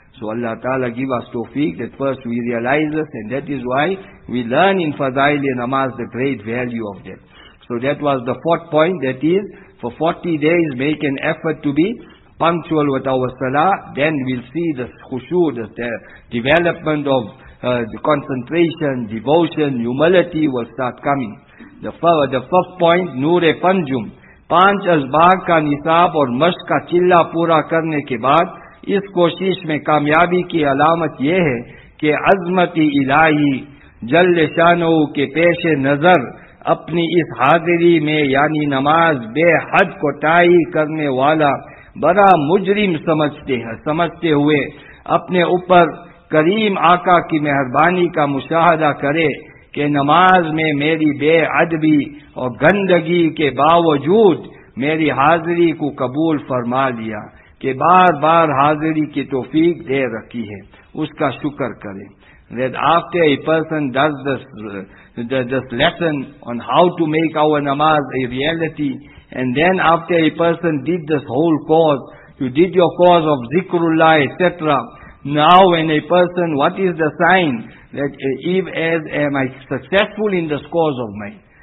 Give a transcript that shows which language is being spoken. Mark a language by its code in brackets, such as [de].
[en] So Allah Ta'ala give us tawfiq that first we realize this, and that is why we learn in Fadail and Namaz the great value of that. So that was the fourth point, that is, for 40 days make an effort to be punctual with our salah, then we'll see the khushu, the development of the concentration, devotion, humility will start coming. The fifth point, [ur] Noor-e Panjum, Panch Azbaq ka nisab aur mashq ka chilla pura karne ke baad, اس کوشش میں کامیابی کی علامت یہ ہے کہ عظمت الہی جل شانہ کے پیش نظر اپنی اس حاضری میں یعنی نماز بے حد کوتاہی کرنے والا بڑا مجرم سمجھتے ہوئے اپنے اوپر کریم آقا کی مہربانی کا مشاہدہ کرے کہ نماز میں میری بے ادبی اور گندگی کے باوجود میری حاضری کو قبول فرما لیا کہ بار بار حاضری کی توفیق دے رکھی ہے اس کا شکر کریں. [en] That after a person does this lesson on how to make our namaz a reality, and then after a person did this whole course, you did your course of zikrullah, etc. Now when a person, what is the sign that am I successful in this course of mine?